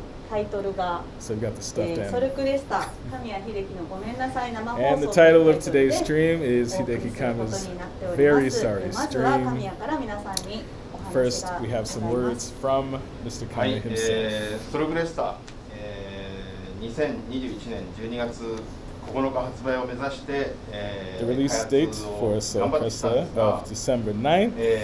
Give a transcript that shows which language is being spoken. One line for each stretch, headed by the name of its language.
English: So we've got the stuff down. And the title of today's stream is Hideki Kamiya's Very Sorry Stream. First, we have some words from Mr. Kamiya himself.
Japanese: ソロクレスタ、2021年12月9日発売を目指して、
English: The release date for ソロクレスタ of December 9th.